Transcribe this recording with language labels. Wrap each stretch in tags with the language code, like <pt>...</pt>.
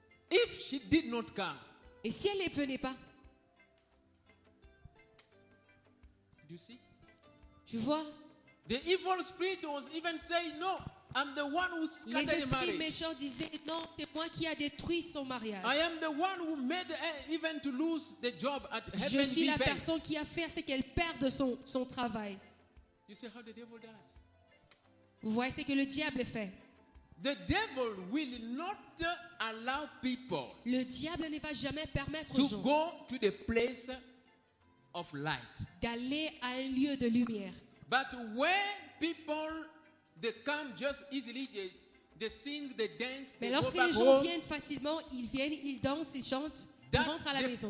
<en>If she did not come.</en> <fr>Et si elle ne venait pas?</fr> <en>Do you see?</en> <fr>Tu vois?</fr> <en>The evil spirit was even saying no. I'm the one who scattered the marriage.</en> <fr>Les esprits méchants disaient non, c'est moi qui a détruit son mariage.</fr> <en>I am the one who made her even to lose the job at Heaven.</en> <fr>Je suis la personne qui a fait ce qu'elle perde son travail.</fr> <en>You see how the devil does.</en> <fr>Vous voyez ce que le diable fait.</fr> <en>The devil will not allow people.</en> <fr>Le diable ne va jamais permettre</fr> <en>to go to the place of light.</en> <fr>D'aller à un lieu de lumière.</fr> <en>But when people they come just easily, they sing, they dance.</en> <fr>Mais lorsque les gens viennent facilement, ils viennent, ils dansent, ils chantent, ils rentrent à la maison.</fr>